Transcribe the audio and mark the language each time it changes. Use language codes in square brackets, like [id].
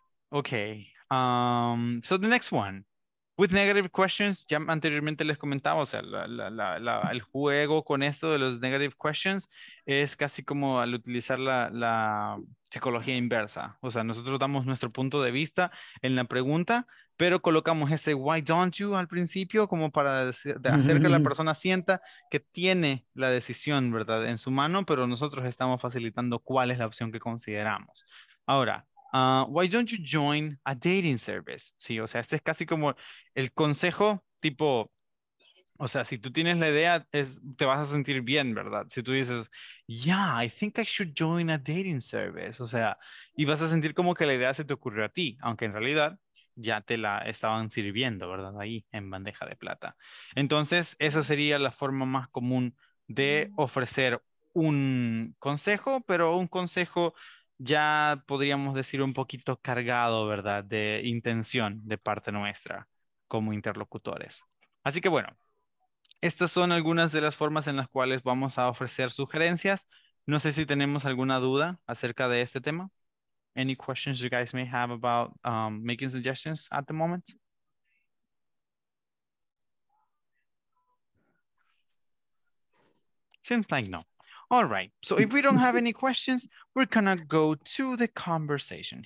[en] Ok. So the next one. With negative questions, [es] ya anteriormente les comentaba, o sea, el juego con esto de los negative questions es casi como al utilizar la psicología inversa. O sea, nosotros damos nuestro punto de vista en la pregunta, pero colocamos ese [en] why don't you [es] al principio como para hacer que la persona sienta que tiene la decisión, ¿verdad? En su mano, pero nosotros estamos facilitando cuál es la opción que consideramos. [en] Ahora, why don't you join a dating service? [es] Sí, o sea, este es casi como el consejo tipo, o sea, si tú tienes la idea, te vas a sentir bien, ¿verdad? Si tú dices, [en] yeah, I think I should join a dating service. [es] O sea, y vas a sentir como que la idea se te ocurrió a ti, aunque en realidad ya te la estaban sirviendo, ¿verdad? Ahí en bandeja de plata. Entonces, esa sería la forma más común de ofrecer un consejo, pero un consejo ya podríamos decir un poquito cargado, ¿verdad? De intención de parte nuestra como interlocutores. Así que bueno, estas son algunas de las formas en las cuales vamos a ofrecer sugerencias. No sé si tenemos alguna duda acerca de este tema. [en] Any questions you guys may have about making suggestions at the moment? Seems like no. All right. So if we don't have any questions, we're gonna go to the conversation.